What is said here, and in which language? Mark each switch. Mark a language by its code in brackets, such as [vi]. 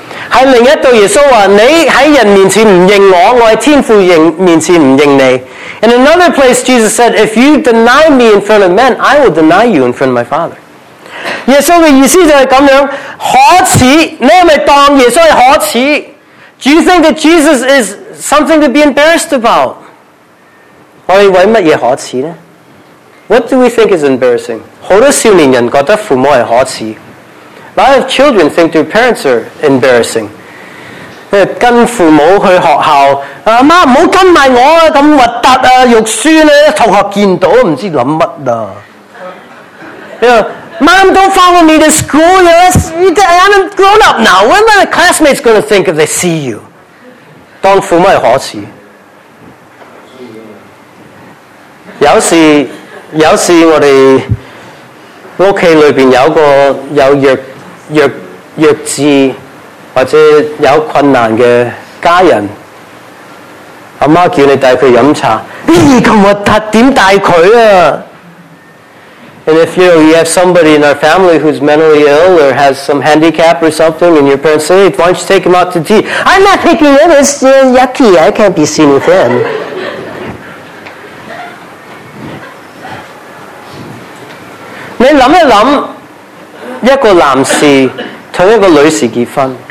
[yue] 喺另一度，耶稣话你喺人面前唔认我，我喺天父面前唔认你。 [en] In another place, Jesus said, "If you deny me in front of men, I will deny you in front of my Father." [yue] 耶稣嘅意思就系咁样，可耻。你系咪当耶稣系可耻？ [en] Do you think that Jesus is something to be embarrassed about? [yue] 我们为什么可耻呢? [en] What do we think is embarrassing? [yue] 很多少年人觉得父母是可耻。 [en] A lot of children think their parents are embarrassing. [yue] 跟父母去学校，妈，不要跟埋我，这么核突，肉酸，同学见到，不知道想什么。 [en] Mom, don't follow me to school. I'm a grown up now. What are my classmates going to think if they see you? [yue] 当父母是可耻。有时我们屋企里面有个有弱智或者有困难的家人，阿妈叫你带他喝茶，咦，这么核突，怎么带他啊？ [en] And if you have somebody in our family who's mentally ill or has some handicap or something, and your parents say, hey, why don't you take him out to tea? I'm not taking him, it's yucky, I can't be seen with him. [yue] 你想一想一个男士和一个女士结婚。